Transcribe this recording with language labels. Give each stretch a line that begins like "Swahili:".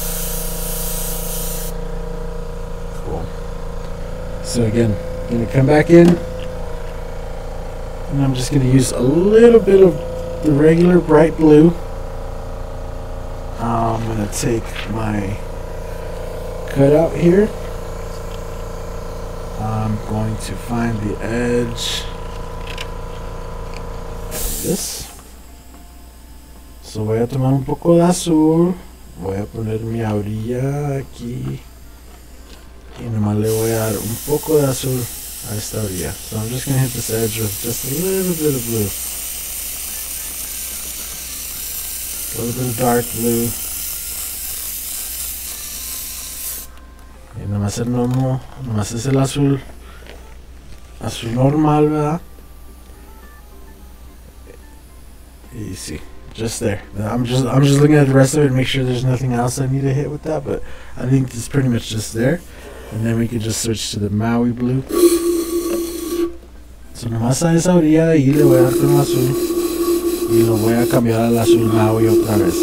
English: Cool. So again, I'm going to come back in, and I'm just going to use a little bit of the regular bright blue. I'm going to take my cutout here. I'm going to find the edge like this.
Spanish: So voy a tomar un poco de azul. Voy a poner mi orilla aquí. Y nomás le voy a dar un poco de azul a esta orilla.
English: So I'm just gonna hit this edge with just a little bit of blue. A little bit of dark blue.
Spanish: más el normal, nomás es el azul, azul normal, ¿verdad? Y sí,
English: just there. I'm just looking at the rest of it, make sure there's nothing else I need to hit with that, but I think it's pretty much just there. And then we can just switch to the Maui blue.
Spanish: So nomás a esa orilla de ahí le voy a dar con azul. Y lo voy a cambiar al azul Maui otra vez.